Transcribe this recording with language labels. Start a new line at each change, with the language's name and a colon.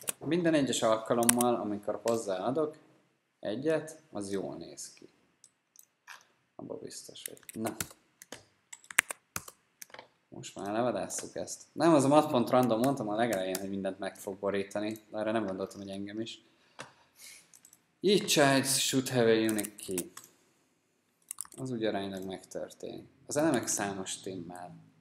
Hungarian: Minden egyes alkalommal, amikor hozzáadok egyet, az jól néz ki. Abban biztos, hogy... Na. Most már levadásszuk ezt. Nem, az a mat.random mondtam a legelején, hogy mindent meg fog borítani. Erre nem gondoltam, hogy engem is.
English: Each child should have a unique key.
Hungarian: Az úgy aránylag megtörtént. Az elemek számos témmel.